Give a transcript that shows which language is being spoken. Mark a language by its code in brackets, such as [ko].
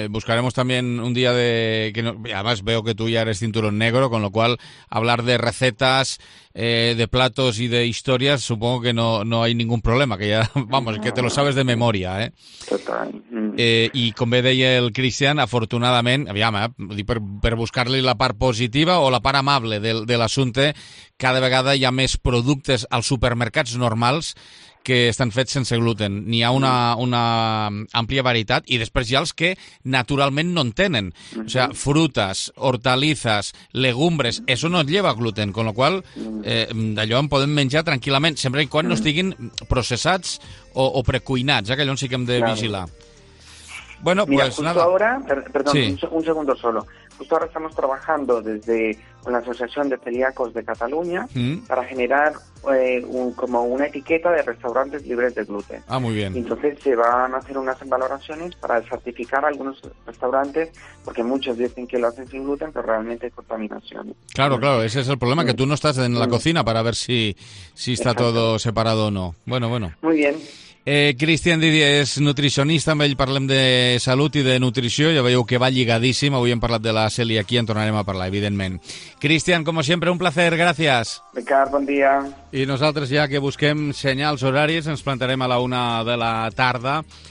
[ca] Buscarem també un dia de... [es] Además, veo que tu ja eres cinturón negro, con lo cual, hablar de recetas, de platos y de historias, supongo que no hay ningún problema, que ya, vamos, que te lo sabes de memoria, Total. [ca] I com bé deia el Cristian, afortunadament, aviam, per buscar-li la part positiva o la part amable de l'assumpte, cada vegada hi ha més productes al supermercats normals que estan fets sense gluten. N'hi ha una àmplia varietat i després hi ha els que naturalment no en tenen. [es] O sea, frutes, hortalizas, legumbres, eso no lleva gluten, [ca] con lo cual d'allò en podem menjar tranquil·lament, sempre i quan no estiguin processats o precuinats, que allò sí que hem de vigilar. Bueno, [es] mira, pues nada. Ahora, perdón, sí. Un segundo solo. Justo ahora estamos trabajando desde con la Asociación de Celíacos de Cataluña para generar como una etiqueta de restaurantes libres de gluten. Ah, muy bien. Entonces se van a hacer unas valoraciones para certificar algunos restaurantes, porque muchos dicen que lo hacen sin gluten, pero realmente hay contaminación. Claro, ese es el problema, que tú no estás en la cocina para ver si está todo separado o no. Bueno. Muy bien. [ca] Cristian Didier és nutricionista, amb ell parlem de salut i de nutrició, ja veieu que va lligadíssim, avui hem parlat de la celiaquia, aquí en tornarem a parlar, evidentment. Cristian, com sempre, [es] un placer, [ca] gràcies. Ricard, bon dia. I nosaltres, ja que busquem senyals horaris, ens plantarem a la una de la tarda.